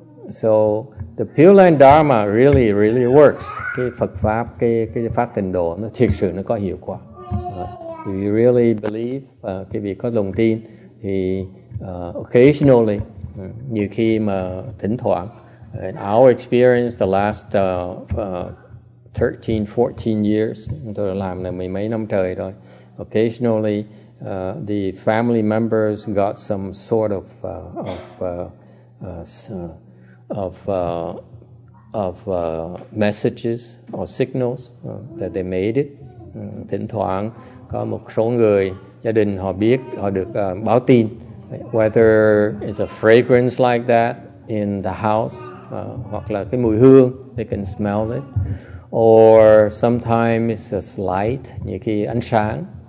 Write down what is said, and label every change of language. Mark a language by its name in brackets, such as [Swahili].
[English] So the Pure Land Dharma really, really works. [Vietnamese] Cái Phật pháp, cái pháp tịnh độ nó thiệt sự nó có hiệu quả. [English] If you really believe, [Vietnamese] cái việc có lòng tin thì [English] occasionally, [Vietnamese] nhiều khi mà thỉnh thoảng. [English] In our experience, the last 13, 14 years, [Vietnamese] tôi đã làm là mười mấy năm trời rồi. [English] Occasionally, the family members got some sort of messages or signals that they made it. [Vietnamese] Thỉnh thoảng có một số người gia đình họ biết họ được báo tin. [English] Whether it's a fragrance like that in the house, [Vietnamese] hoặc là cái mùi hương, [English] they can smell it, or sometimes it's light, [Vietnamese] như khi ánh sáng.